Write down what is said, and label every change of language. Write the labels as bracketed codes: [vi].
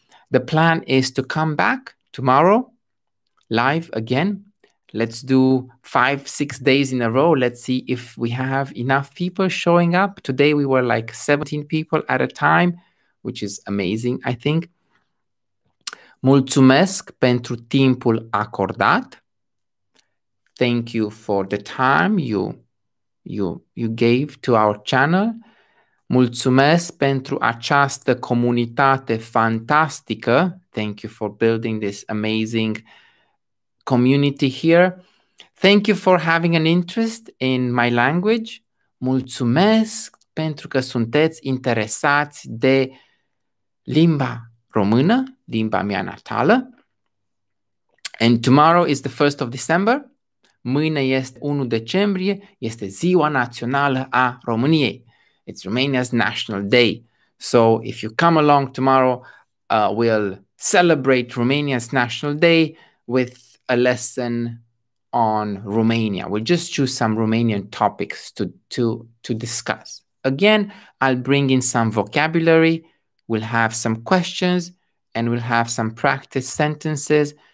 [en] The plan is to come back tomorrow live again. Let's do 5, 6 days in a row. Let's see if we have enough people showing up. Today we were like 17 people at a time, which is amazing, I think. [ro] Mulțumesc pentru timpul acordat. [en] Thank you for the time you gave to our channel. [ro] Mulțumesc pentru această comunitate fantastică. [en] Thank you for building this amazing community here. Thank you for having an interest in my language. [ro] Mulțumesc pentru că sunteți interesați de limba română, limba mea natală. [en] And tomorrow is the 1st of December. [ro] Mâine este 1 decembrie, este ziua națională a României. [en] It's Romania's National Day. So if you come along tomorrow, we'll celebrate Romania's National Day with a lesson on Romania. We'll just choose some Romanian topics to discuss. Again, I'll bring in some vocabulary. We'll have some questions and we'll have some practice sentences.